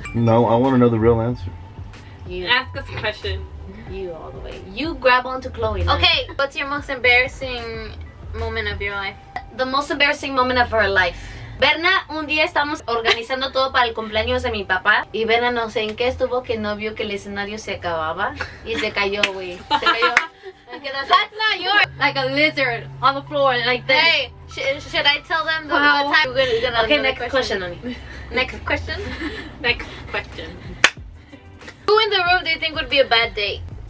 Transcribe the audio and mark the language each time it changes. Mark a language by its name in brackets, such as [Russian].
[English] No, I want to know the real answer. You ask us a question. You all the way. You grab onto Chloe. Now. Okay, what's your most embarrassing moment of your life? The most embarrassing moment of her life. [Spanish] Berna, un día estamos organizando todo para el cumpleaños de mi papá. Y Berna, no sé en qué estuvo, que no vio que el escenario se acababa. Y se cayó, güey. Se cayó. [English] That's not your like a lizard on the floor like this. Hey, should I tell them the wow. time? Gonna okay, next question. Next question? Next question. Who in the room do you think would be a bad date?